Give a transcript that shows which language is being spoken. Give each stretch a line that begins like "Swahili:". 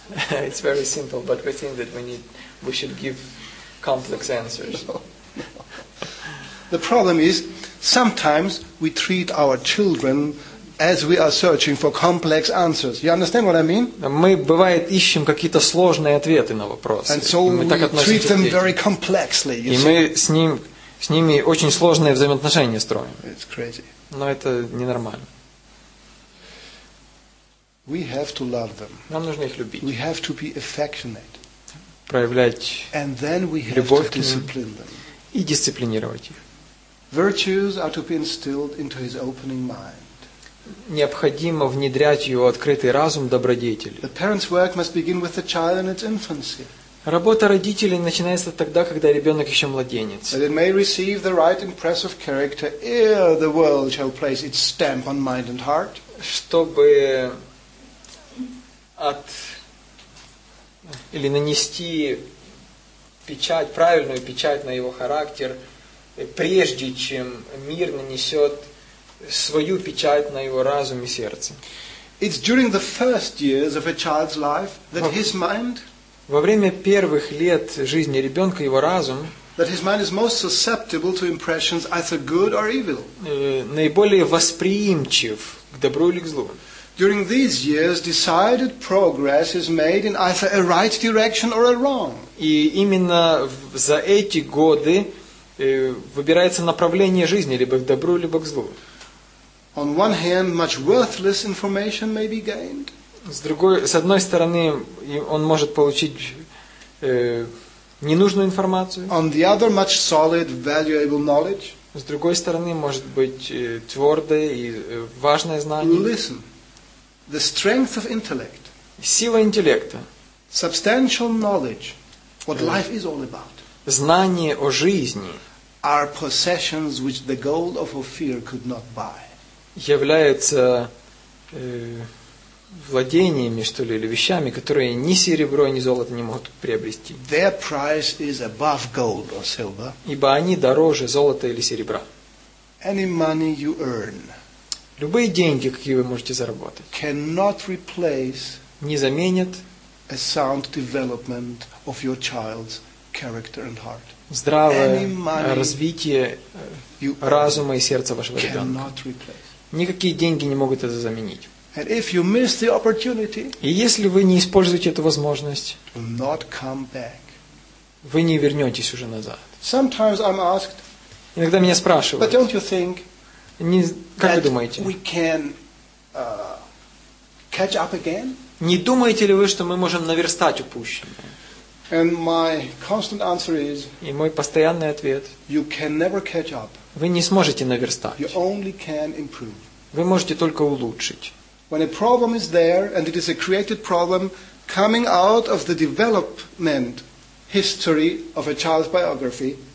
English: It's very simple, but we think that we should give complex answers. The problem is, sometimes we treat our children as we are searching for complex answers. You understand what I mean?
Russian: Мы бывает ищем какие-то сложные ответы на вопросы.
English: And so we treat them very complexly.
Russian: И мы с ними очень сложные взаимоотношения строим.
English: It's crazy.
Russian: Но это ненормально.
English: We have to love them.
Russian: Нам нужно их любить.
English: We have to be affectionate.
Russian: Проявлять
English: and then we have
Russian: любовь
English: to discipline them.
Russian: К ним и дисциплинировать их.
English: Virtues are to be instilled into his opening mind.
Russian: Необходимо внедрять в его открытый разум добродетели.
English: The parents' work must begin with the child in its infancy.
Russian: Работа родителей начинается тогда, когда ребенок еще младенец.
English: That it may receive the right impress of character ere the world shall place its stamp on mind and heart.
Russian: Чтобы от или нанести печать, правильную печать на его характер, прежде чем мир нанесет свою печать на его разум и сердце.
English: It's during the first years of a child's life that his mind.
Russian: Во время первых лет жизни ребенка его разум наиболее восприимчив к добру или к злу.
English: During these years, decided progress is made in either a right direction or a wrong.
Russian: И именно за эти годы выбирается направление жизни либо к добру, либо к злу.
English: On one hand, much worthless information may be gained.
Russian: С одной стороны, он может получить ненужную информацию.
English: On the other, much solid, valuable knowledge.
Russian: С другой стороны, может быть твердое и важное знание.
English: Listen. The strength of intellect.
Russian: Сила интеллекта.
English: Substantial knowledge. What life is all about.
Russian: Знание о жизни.
English: Are possessions which the gold of Ophir could not buy.
Russian: Являются владениями, что ли, или вещами, которые ни серебро, ни золото не могут приобрести.
English: Their price is above gold or silver.
Russian: Ибо они дороже золота или серебра.
English: Any money you earn.
Russian: Любые деньги, какие вы можете заработать,
English: cannot replace
Russian: не заменят
English: a sound development of your child's character and heart.
Russian: Здравое развитие разума и сердца вашего ребенка.
English: Cannot replace.
Russian: Никакие деньги не могут это заменить.
English: And if you miss the opportunity,
Russian: и если вы не используете эту возможность,
English: do not come back.
Russian: Вы не вернетесь уже назад.
English: Sometimes I'm asked,
Russian: иногда меня спрашивают,
English: but don't you think,
Russian: как вы думаете?
English: We can, catch up again?
Russian: Не думаете ли вы, что мы можем наверстать упущенное?
English: And my constant answer is,
Russian: и мой постоянный ответ.
English: You can never catch up.
Russian: Вы не сможете наверстать.
English: You only can improve.
Russian: Вы можете только улучшить.
English: When a problem is there, and it is a created problem, coming out of the development history of a child's biography,